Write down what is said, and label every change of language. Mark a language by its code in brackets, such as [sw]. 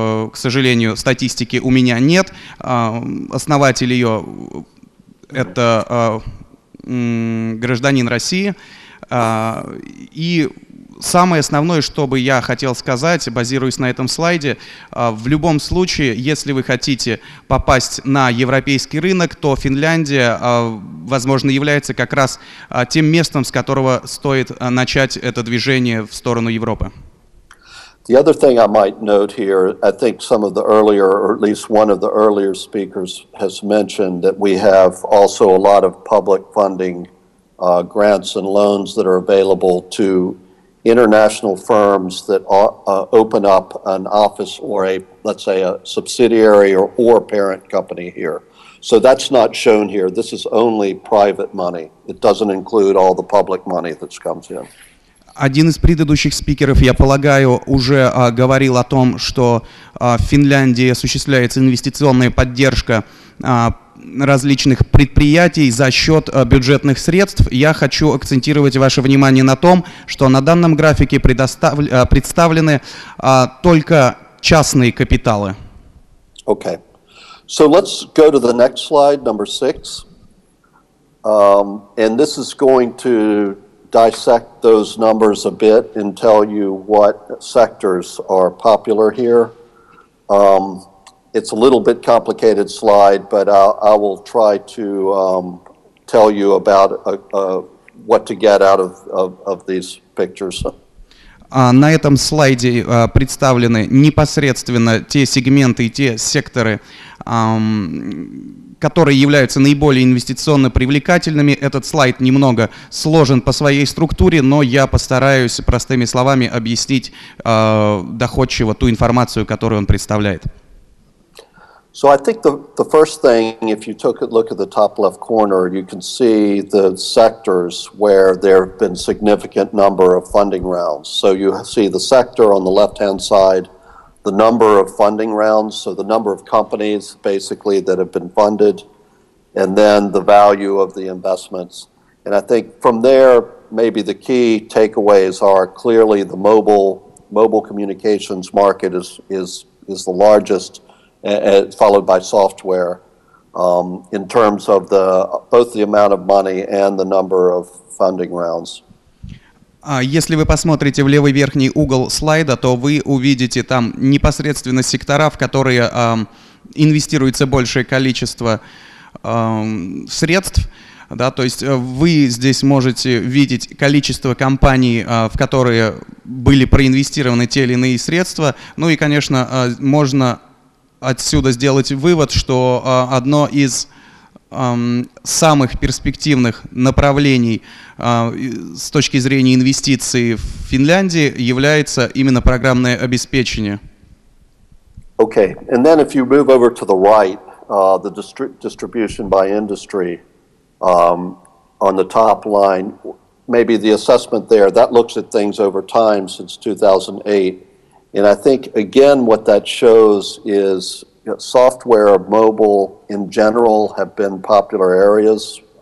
[ru] к сожалению, статистики у меня нет, основатель ее – это гражданин России, и самое основное, что бы я хотел сказать, базируясь на этом слайде, в любом случае, если вы хотите попасть на европейский рынок, то Финляндия, возможно, является как раз тем местом, с которого стоит начать это движение в сторону Европы. [en] The other thing I might note here, I think some of the earlier, or at least one of the earlier speakers has mentioned that we have also a lot of public funding grants and loans that are available to international firms that open up an office or a, let's say, a subsidiary or parent company here. So that's not shown here. This is only private money. It doesn't include all the public money that comes in. [ru] Один из предыдущих спикеров, я полагаю, уже говорил о том, что в Финляндии осуществляется инвестиционная поддержка различных предприятий за счет бюджетных средств. Я хочу акцентировать ваше внимание на том, что на данном графике представлены только частные капиталы. [en] Okay. So let's go to the next slide, number six. And this is going to dissect those numbers a bit and tell you what sectors are popular here. It's a little bit complicated slide, but I will try to tell you about what to get out of these pictures. [ru] На этом слайде представлены непосредственно те сегменты и те секторы, которые являются наиболее инвестиционно привлекательными. Этот слайд немного сложен по своей структуре, но я постараюсь простыми словами объяснить доходчиво ту информацию, которую он представляет. [en] So I think the first thing, if you took a look at the top left corner, you can see the sectors where there have been significant number of funding rounds. So you see the sector on the left-hand side, the number of funding rounds, so the number of companies basically that have been funded, and then the value of the investments. And I think from there, maybe the key takeaways are clearly the mobile communications market is the largest, followed by software, in terms of the both the amount of money and the number of funding rounds. [ru] Если вы посмотрите в левый верхний угол слайда, то вы увидите там непосредственно сектора, в которые инвестируется большее количество средств. Да, то есть вы здесь можете видеть количество компаний, в которые были проинвестированы те или иные средства. Ну и, конечно, можно отсюда сделать вывод, что одно из самых перспективных направлений с точки зрения инвестиций в Финляндии является именно программное обеспечение. [en] Okay, and then if you move over to the right, the distribution by industry on the top line, maybe the assessment there, that looks at things over time since 2008. And I think, again, what that shows is software, mobile, in general, have been popular areas.